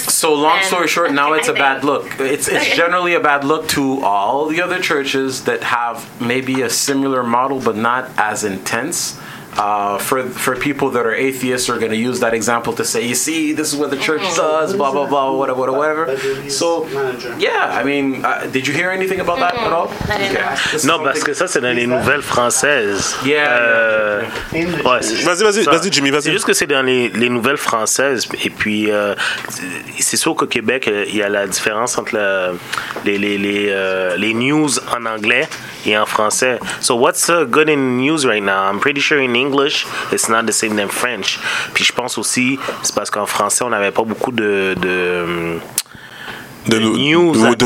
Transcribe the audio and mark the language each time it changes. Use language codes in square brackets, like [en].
[en] So, long story short, now it's a bad look. It's generally a bad look to all the other churches that have maybe a similar model, but not as intense. For people that are atheists are going to use that example to say, you see, this is what the church does, blah, blah, blah, whatever. So, yeah, I mean, did you hear anything about that at all? [fr] No, parce que ça, c'est dans les nouvelles françaises. [en] Yeah. [fr] Ouais, vas-y, Jimmy, vas-y. C'est juste que c'est dans les nouvelles françaises. Et puis, c'est sûr qu'au Québec, il y a la différence entre les news en anglais et en français. [en] So, what's good in news right now? I'm pretty sure in English, it's not the same than French. [fr] Puis je pense aussi, c'est parce qu'en français, on n'avait pas beaucoup de news, de